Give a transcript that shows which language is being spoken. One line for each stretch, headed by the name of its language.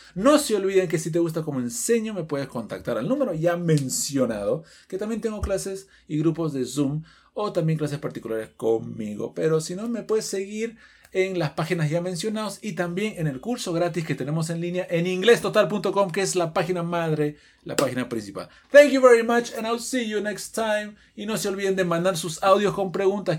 Spanish: No se olviden que si te gusta cómo enseño, me puedes contactar al número ya mencionado, que también tengo clases y grupos de Zoom o también clases particulares conmigo. Pero si no, me puedes seguir en las páginas ya mencionadas y también en el curso gratis que tenemos en línea en inglestotal.com, que es la página madre, la página principal.
English: Thank you very much and I'll see you next time.
Spanish: Y no se olviden de mandar sus audios con preguntas.